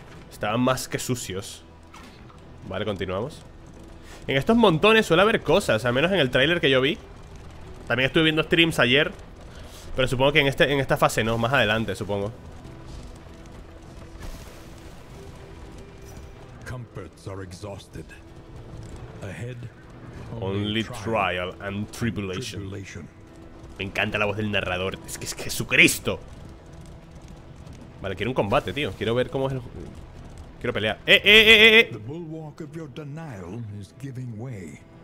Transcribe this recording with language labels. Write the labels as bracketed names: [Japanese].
[Spanish] Estaban más que sucios. Vale, continuamos. En estos montones suele haber cosas, al menos en el tráiler que yo vi. También estuve viendo streams ayer. Pero supongo que en esta fase no, más adelante, supongo. [English] Comforts are exhausted. Ahead. Only trial and tribulation. [Spanish] Me encanta la voz del narrador. Es que es Jesucristo. Vale, quiero un combate, tío. Quiero ver cómo es el... Quiero pelear. [English] The bulwark of your denial is giving way.